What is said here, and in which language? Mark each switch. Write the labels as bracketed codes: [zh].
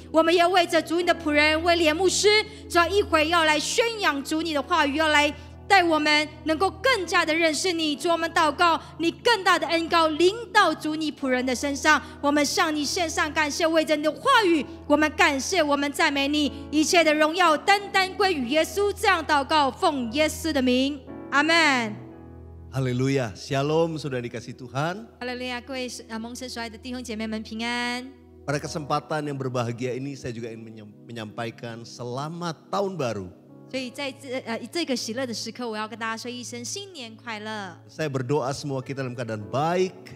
[zh] 我们也为着主你的仆人威廉牧师，主要一会要来宣扬主你的话语，要来带我们能够更加的认识你。主，我们祷告你更大的恩膏临到主你仆人的身上，我们向你献上感谢。为着你的话语，我们感谢，我们赞美你，一切的荣耀单单归于耶稣。这样祷告奉耶稣的名，阿们。 [id] Haleluya, Shalom, sudah dikasih Tuhan. [zh] Haleluya, 各位蒙神所爱的弟兄姐妹们平安。 [id] Pada kesempatan yang berbahagia ini, saya juga ingin menyampaikan selamat tahun baru. [zh] 所以在 这个喜乐的时刻，我要跟大家说一声新年快乐。 [id] Saya berdoa semua kita dalam keadaan baik。